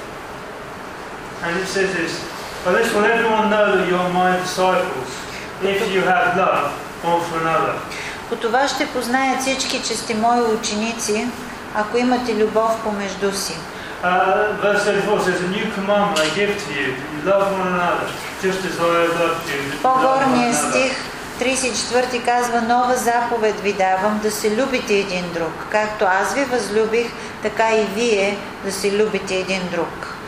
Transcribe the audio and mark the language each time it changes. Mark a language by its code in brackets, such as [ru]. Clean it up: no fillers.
[bg] 35 стих. [en] And it says this, but let everyone know that you are my disciples, if you have love one for another. [bg] По това ще познаят всички, че сте мои ученици, ако имате любов помежду си. [en] Verse 34 says, a new commandment I give to you, that you love one another, just as I have loved you. [bg] По-горният стих 34 казва, нова заповед ви давам, да се любите един друг. Както аз ви възлюбих, така и вие да се любите един друг.